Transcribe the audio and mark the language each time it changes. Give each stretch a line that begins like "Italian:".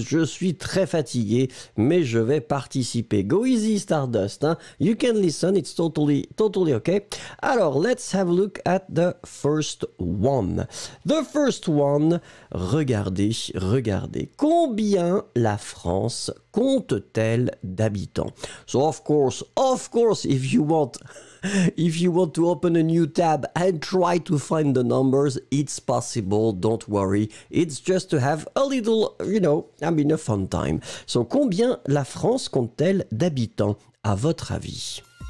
French: Je suis très fatigué, mais je vais participer.
English: Go easy, Stardust. Hein? You can listen, it's totally okay. Alors, let's have a look at the first one. The first one,
French: regardez. Combien la France compte-t-elle d'habitants?
English: So of course, if you want to open a new tab and try to find the numbers, it's possible, don't worry. It's just to have a little, a fun time.
French: So combien la France compte-t-elle d'habitants, à votre avis?